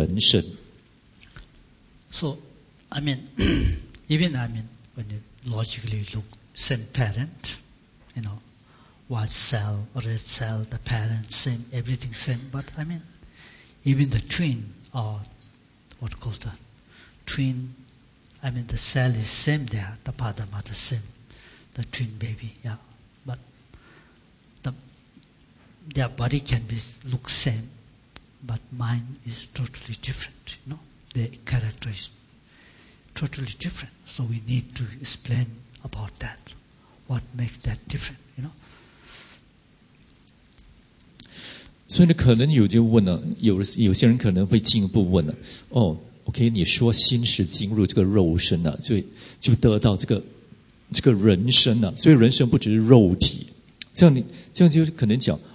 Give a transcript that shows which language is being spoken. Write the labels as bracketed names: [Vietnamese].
[Chinese] 所以呢,在佛教的教义里面呢,不只是父精母血合合而已啊,因为它的因缘呢,其实需要的因缘其实更多,这父精母血合合呢,只是成就一个肉身而已,我们需要那个心识呢,进入这个肉身啊,这样我们才会达到一个完整的,得到一个完整的这个人生。So, [English] I mean, even I mean, when you logically look, same parent, you know, white cell, red cell, the parent, same, everything same, but I mean, even the twin, or what called the twin, I mean, the cell is same there, the father, mother, same, the twin baby, yeah, but the their body can be look same, but mind is totally different, you know, their character is totally different. So we need to explain about that. What makes that different? You know. [Chinese] 所以呢，可能有就问了，有些人可能会进一步问了，哦 ，OK， 你说心是进入这个肉身了，所以就得到这个人生了，所以人生不只是肉体，这样就可能讲。